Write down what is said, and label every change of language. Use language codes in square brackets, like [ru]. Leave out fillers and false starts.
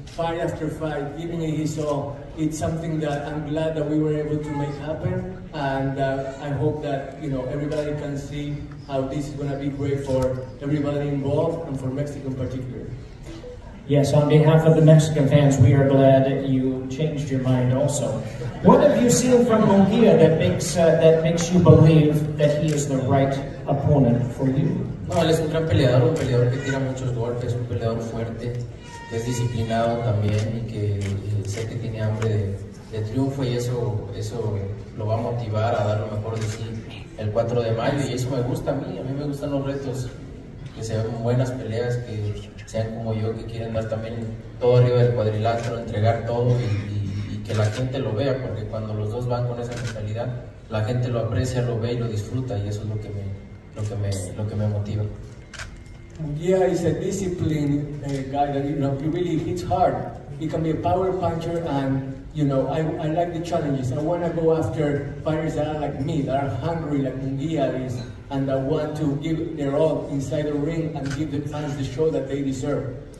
[en] fight after fight, giving it his all. It's something that I'm glad that we were able to make happen, and I hope that, you know, everybody can see how this is going to be great for everybody involved and for Mexico in particular. Yes, on behalf of the Mexican fans, we are glad that you changed your mind also. What have you seen from Munguia that makes you believe that he is the right opponent for you? [es] No, él es un gran peleador, un peleador que tira muchos golpes, un peleador fuerte, que es disciplinado también y que sé que tiene hambre de triunfo y eso lo va a motivar a dar lo mejor de sí el 4 de mayo y eso me gusta a mí me gustan los retos, que sean buenas peleas, que sean como yo, que quieren dar también todo arriba del cuadrilátero, entregar todo y que la gente lo vea, porque cuando los dos van con esa mentalidad, la gente lo aprecia, lo ve y lo disfruta y eso es lo que me motiva. [en] Munguia is a disciplined guy that, you know, he really hits hard. He can be a power puncher, and, you know, I like the challenges. I want to go after fighters that are like me, that are hungry like Munguia is, and that want to give their all inside the ring and give the fans the show that they deserve.